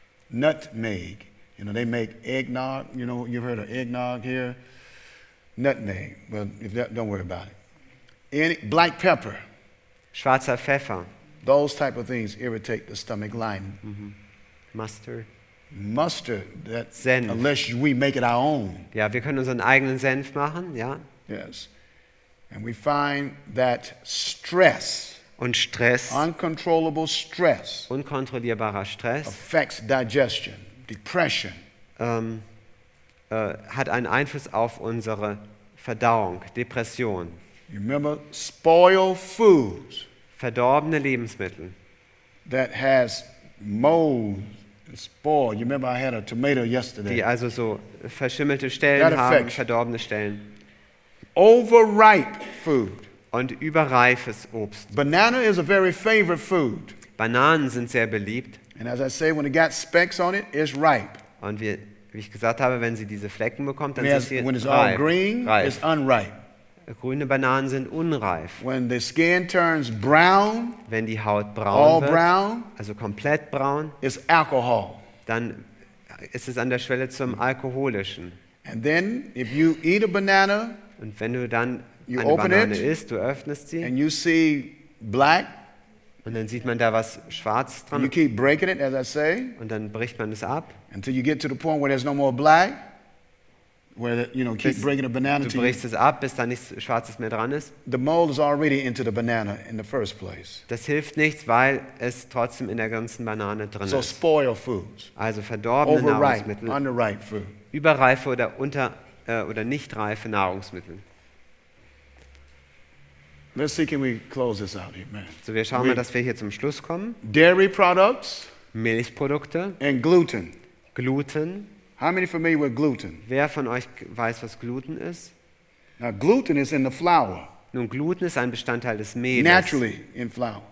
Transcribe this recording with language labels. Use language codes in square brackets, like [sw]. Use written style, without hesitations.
[en] Nutmeg, you know, they make eggnog, you know, you've heard of eggnog here, nutmeg, but if that, don't worry about it. Black pepper, [de] schwarzer Pfeffer, [en] those type of things irritate the stomach lining. Mm-hmm. Mustard, that [de] Senf. [en] Unless we make it our own. [de] Ja, wir können unseren eigenen Senf machen, ja. [en] Yes, and we find that stress. [de] Und Stress, [en] uncontrollable stress, [de] unkontrollierbarer Stress, [en] affects digestion, depression, [de] hat einen Einfluss auf unsere Verdauung, Depression. [en] Remember, spoiled foods, [de] verdorbene Lebensmittel, [en] that has mold, spoiled. You remember, I had a tomato yesterday. [de] Die also so verschimmelte Stellen that haben, [en] affects. [de] Verdorbene Stellen. [en] Overripe food. [de] Und überreifes Obst. [en] Banana is a very favorite food. [de] Bananen sind sehr beliebt. [en] And as I say, when it got specks on it, it's ripe. [de] Und wir wie ich gesagt habe, wenn sie diese Flecken bekommt, dann sind sie reif. [en] It's unripe. [de] Grüne Bananen sind unreif. [en] When the skin turns brown, [de] wenn die Haut braun [en] all brown, [de] wird, also komplett braun, [en] is alcohol. [de] Dann ist es an der Schwelle zum Alkoholischen. [en] And then, if you eat a banana, [de] und wenn du dann you eine [en] open [de] Banane isst, du öffnest sie, [en] and you see black, [de] und dann sieht man da was schwarz dran, [en] you keep breaking it, as I say, [de] und dann bricht man es ab, [en] until you get to the point where there's no more black, where the, you know, keep breaking a banana. [de] Du brichst es ab, bis da nichts Schwarzes mehr dran ist. [en] The mold is already into the banana in the first place. [de] Das hilft nichts, weil es trotzdem in der ganzen Banane drin ist. [en] So spoiled foods. [de] Also verdorbene Nahrungsmittel. [en] Underripe food. [de] Überreife oder unter oder nicht reife Nahrungsmittel. [en] Let's see, can we close this out here, man? [de] So wir schauen mal, dass wir hier zum Schluss kommen. [en] Dairy products. [de] Milchprodukte. [en] And gluten. [de] Gluten. [en] How many familiar with gluten? [de] Wer von euch weiß, was Gluten ist? [en] Now, gluten is in the flour. [de] Nun, Gluten ist ein Bestandteil des Mehls. [en] Naturally in flour.